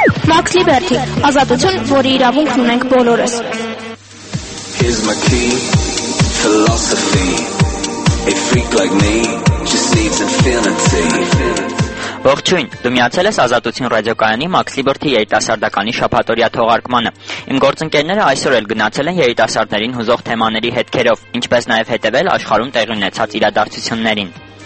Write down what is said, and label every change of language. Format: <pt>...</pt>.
<hy>Max Liberty, ազատություն, որի իրավունք ունենք բոլորս.</hy> <en>Here's my key, philosophy. A freak like me just needs infinity.</en> <hy>Ողջույն, դու միացել ես ազատություն ռադիոկայանի Max Liberty երիտասարդականի շաբաթօրյա թողարկմանը։ Իմ գործընկերները այսօր էլ գնացել են երիտասարդներին հուզող թեմաների հետքերով, ինչպես նաև հետևել աշխարհում տեղի ունեցած իրադարձություններին։</hy>